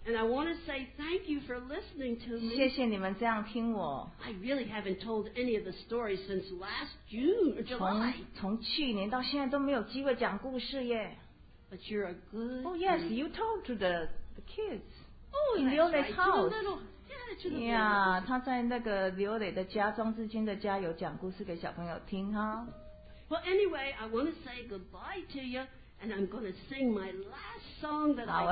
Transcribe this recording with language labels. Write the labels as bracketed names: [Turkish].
[English] And I want to say thank you for listening to me. [Chinese] 谢谢你们这样听我. [English] I really haven't told any of the stories since last June or July. [Chinese] 从去年到现在都没有机会讲故事耶. [English] But you're a good. Oh yes, you told to the kids. Oh, in Liole's house. Yeah, [Chinese] 他在那个 Liole的家，庄志军的家，有讲故事给小朋友听哈. [English] Well, anyway, I want to say goodbye to you, and I'm going to sing my last song that